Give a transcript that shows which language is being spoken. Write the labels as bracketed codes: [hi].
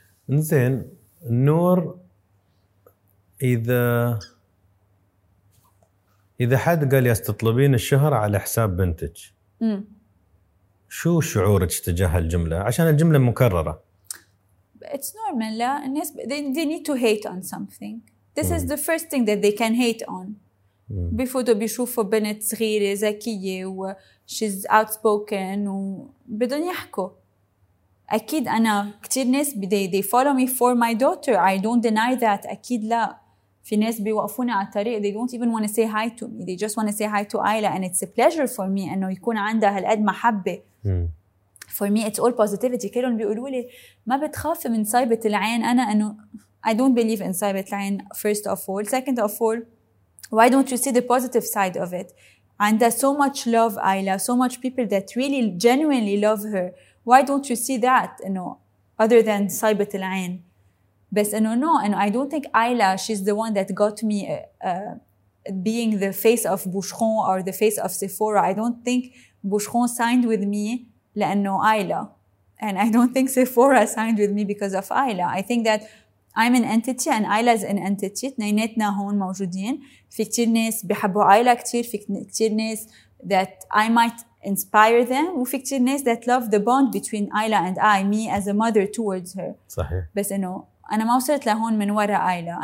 [ar] إنزين نور إذا حد قال يستطلبين الشهرة على حساب بنتك شو شعورك تجاه الجملة عشان الجملة مكررة [en] It's normal. They need to hate on something. This is the first thing that they can hate on. [ar] بفوتوا بيشوفوا بنت صغيرة ذكية و [en] she's outspoken [ar] و بدون يحكوا. أكيد أنا كتير ناس [en] they follow me for my daughter. I don't deny that. [ar] أكيد لا. في ناس بيوقفوني على الطريق. [en] They don't even want to say hi to me. They just want to say hi to Ayla. And it's a pleasure for me [ar] أنه يكون عندها هالقد محبة. [en] For me, it's all positivity. [ar] كلهم بيقولوا لي ما بتخاف من صيبة العين أنا إنه [en] I don't believe in صيبة العين first of all. Second of all, why don't you see the positive side of it? And there's so much love, Ayla, so much people that really genuinely love her. Why don't you see that? You know, other than صيبة العين. [ar] بس إنه [en] no, and I don't think Ayla, she's the one that got me being the face of Boucheron or the face of Sephora. I don't think Boucheron signed with me. [ar] لأنه [en] Ayla and I don't think Sephora signed with me because of Ayla. I think that I'm an entity and Ayla's an entity. [ar] اثنيناتنا هون موجودين. [en] في كتير ناس بيحبوا Ayla كتير. في كتير ناس that I might inspire them. [ar] وفي كتير ناس [en] that love the bond between Ayla and I, me as a mother towards her. [ar] صحيح. بس إنه أنا ما وصلت لهون من وراء Ayla.